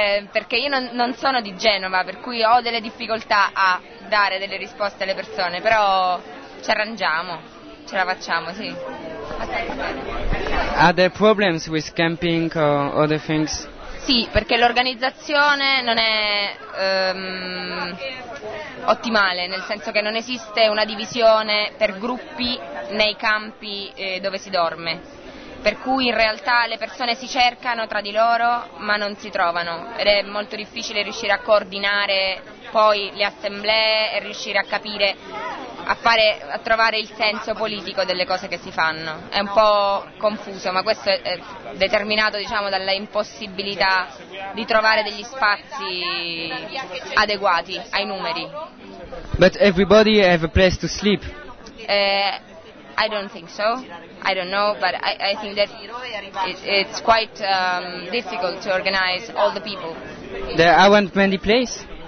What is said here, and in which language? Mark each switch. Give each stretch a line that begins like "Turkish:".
Italian: Perché io non sono di Genova, per cui ho delle difficoltà a dare delle risposte alle persone, però ci arrangiamo, ce la facciamo, sì.
English: Are there problems with camping or other things?
Italian: Sì, perché l'organizzazione non è ottimale, nel senso che non esiste una divisione per gruppi nei campi dove si dorme. Per cui in realtà le persone si cercano tra di loro, ma non si trovano. Ed è molto difficile riuscire a coordinare poi le assemblee e riuscire a capire, a trovare il senso politico delle cose che si fanno. È un po' confuso, ma questo è determinato, diciamo, dalla impossibilità di trovare degli spazi adeguati ai numeri.
English: But everybody have a place to sleep. I don't think so. I don't know, but I think that it's quite difficult to organize all the people. There aren't many places.